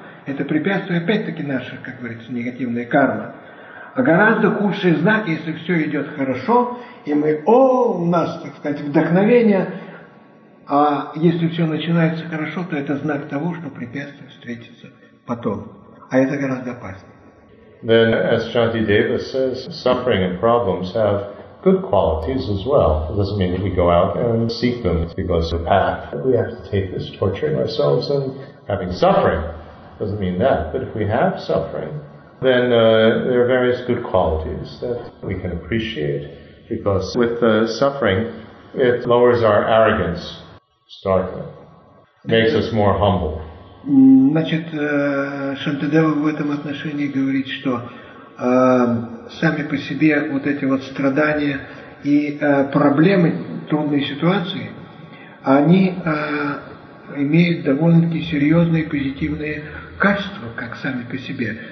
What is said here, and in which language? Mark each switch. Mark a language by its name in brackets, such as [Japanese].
[Russian] Это препятствие опять-таки наша, как говорится, негативная карма. А гораздо худший знак, если все идет хорошо, и мы, у нас, так сказать, вдохновение. А если все начинается хорошо, то это знак того, что препятствие встретится потом. А это гораздо опаснее. [English] Then, as Shanti Deva says, suffering and problems have good qualities as well. It doesn't mean that we go out and seek them because of the path. We have to take this torturing ourselves and having suffering. Doesn't mean that, but if we have suffering, then there are various good qualities that we can appreciate, because with the suffering, it lowers our arrogance, starkly, makes us more humble. [Russian] Значит, Шантадева в этом отношении говорит, что сами по себе вот эти вот страдания и проблемы, трудные ситуации, они имеют довольно-таки серьезные позитивные качества, как сами по себе.